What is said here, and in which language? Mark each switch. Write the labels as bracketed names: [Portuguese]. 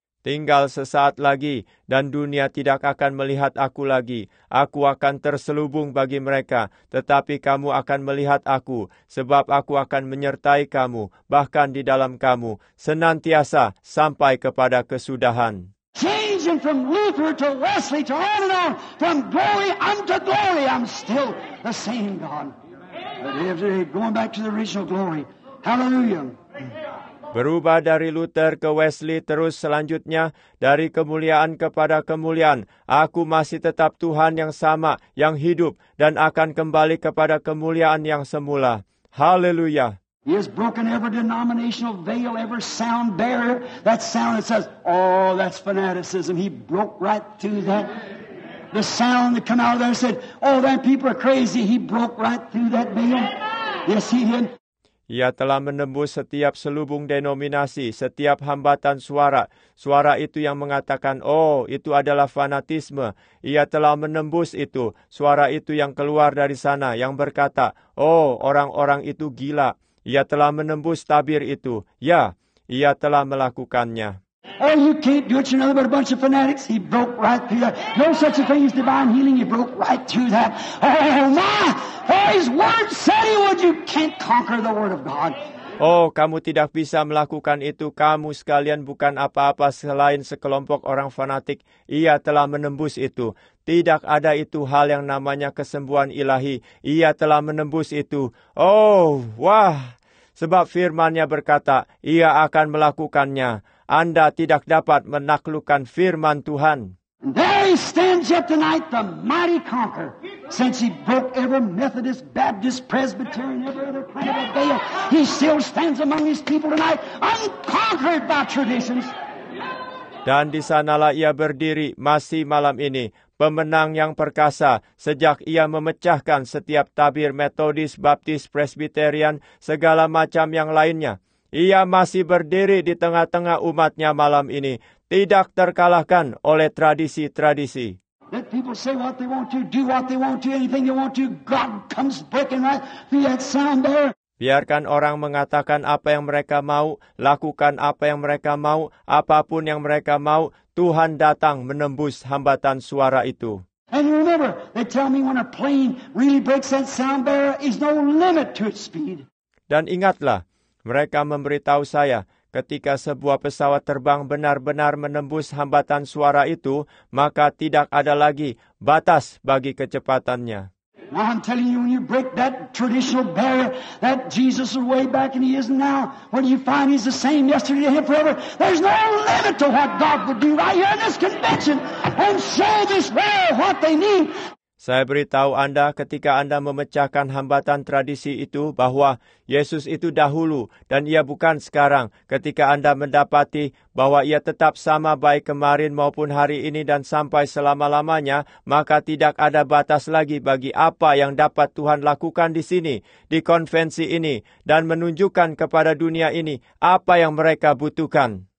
[Indonesian] Tinggal sesaat lagi, dan dunia tidak akan melihat aku lagi. Aku akan terselubung bagi mereka, tetapi kamu akan melihat aku, sebab aku akan menyertai kamu, bahkan di dalam kamu, senantiasa sampai kepada kesudahan. [English] Changing from Luther to Wesley to on and on, from glory unto glory, I'm still the same God. Going back to the original glory. Hallelujah. [Indonesian] Berubah dari Luther ke Wesley terus selanjutnya, dari kemuliaan kepada kemuliaan. Aku masih tetap Tuhan yang sama, yang hidup, dan akan kembali kepada kemuliaan yang semula. Haleluya. [English] He has broken every denominational veil, every sound barrier. That sound that says, oh, that's fanaticism. He broke right through that. The sound that come out of there said, oh, that people are crazy. He broke right through that veil. Yes, he did. [Indonesian] Ia telah menembus setiap selubung denominasi, setiap hambatan suara. Suara itu yang mengatakan, oh, itu adalah fanatisme. Ia telah menembus itu. Suara itu yang keluar dari sana, yang berkata, oh, orang-orang itu gila. Ia telah menembus tabir itu. Ya, ia telah melakukannya. [English] Oh, you can't do it, you're nothing but a bunch of fanatics. He broke right through that. No such a thing as divine healing. He broke right through that. Oh, my! Oh, his word said he would. You can't conquer the word of God. [Indonesian] Oh, kamu tidak bisa melakukan itu. Kamu sekalian bukan apa-apa selain sekelompok orang fanatik. Ia telah menembus itu. Tidak ada itu hal yang namanya kesembuhan ilahi. Ia telah menembus itu. Oh, wah. Sebab firman-Nya berkata, ia akan melakukannya. Anda tidak dapat menaklukkan firman Tuhan. [English] There he stands yet tonight, the mighty conqueror. Since he broke every Methodist, Baptist, Presbyterian, every other kind of a veil, he still stands among his people tonight, unconquered by traditions. [Indonesian] Dan di sanalah ia berdiri masih malam ini, pemenang yang perkasa, sejak ia memecahkan setiap tabir Methodist, Baptist, Presbyterian, segala macam yang lainnya. Ia masih berdiri di tengah-tengah umatnya malam ini, tidak terkalahkan oleh tradisi-tradisi. [English] Let people say what they want to, do what they want to, anything they want to. God comes breaking right through that sound there. [Indonesian] Biarkan orang mengatakan apa yang mereka mau, lakukan apa yang mereka mau, apapun yang mereka mau, Tuhan datang menembus hambatan suara itu. [English] And remember, they tell me when a plane really breaks that sound barrier, is no limit to its speed. [Indonesian] Dan ingatlah, mereka memberitahu saya, ketika sebuah pesawat terbang benar-benar menembus hambatan suara itu, maka tidak ada lagi batas bagi kecepatannya. [English] Now I'm telling you, when you break that traditional barrier, that Jesus is way back and he isn't now, when you find he's the same yesterday and forever, there's no limit to what God would do right here in this convention and show this world what they need. [Indonesian] Saya beritahu Anda ketika Anda memecahkan hambatan tradisi itu bahwa Yesus itu dahulu dan ia bukan sekarang. Ketika Anda mendapati bahwa ia tetap sama baik kemarin maupun hari ini dan sampai selama-lamanya, maka tidak ada batas lagi bagi apa yang dapat Tuhan lakukan di sini, di konvensi ini, dan menunjukkan kepada dunia ini apa yang mereka butuhkan.